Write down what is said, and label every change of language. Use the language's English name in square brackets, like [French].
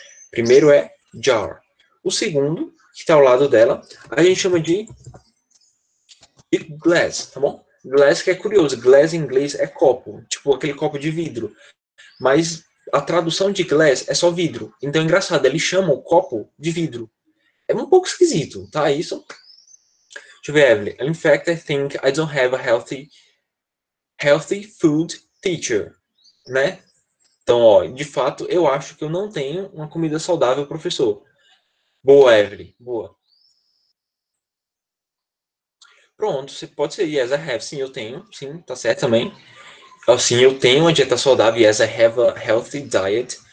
[Portuguese] Primeiro é jar. O segundo, que está ao lado dela, a gente chama de glass, tá bom? Glass, que é curioso, glass em inglês é copo, tipo aquele copo de vidro. Mas a tradução de glass é só vidro. Então, engraçado, ele chama o copo de vidro. É um pouco esquisito, tá? Isso? Deixa eu ver, Evelyn. [English] In fact, I think I don't have a healthy food teacher, né? [Portuguese] Então, ó, de fato, eu acho que eu não tenho uma comida saudável, professor. Boa, Evelyn, boa. Pronto, você pode ser, [English] yes, I have, [Portuguese] sim, eu tenho, sim, tá certo também. Sim, eu tenho uma dieta saudável, [English] yes, I have a healthy diet.